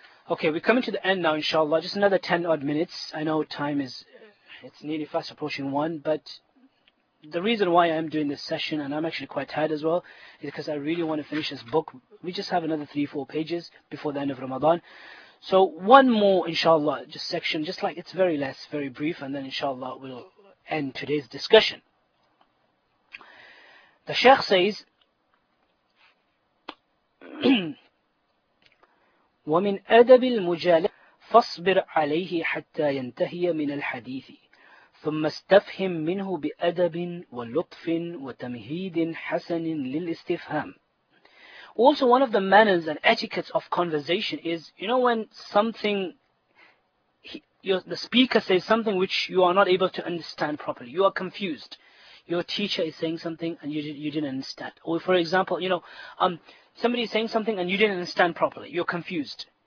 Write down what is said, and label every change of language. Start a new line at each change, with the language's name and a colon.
English: Okay, we're coming to the end now, inshallah. Just another 10 odd minutes. I know time is, it's nearly fast approaching one, but the reason why I'm doing this session, and I'm actually quite tired as well, is because I really want to finish this book. We just have another 3-4 pages before the end of Ramadan. So one more, inshallah, just section, just like it's very less, very brief, and then inshallah we'll end today's discussion. The Sheikh says,
Arabic: وَمِنْ أَدَبِ الْمُجَالَسَةِ فَاصْبِرْ عَلَيْهِ حَتَّى يَنْتَهِيَ مِنَ الْحَدِيثِ ثم استفهم منه بأدب ولطف وتمهيد حسن للاستفهام.
English: Also, one of the manners and etiquettes of conversation is, you know, when something, the speaker says something which you are not able to understand properly, you are confused. Your teacher is saying something and you didn't understand. Or for example, you know, somebody is saying something and you didn't understand properly, you're confused.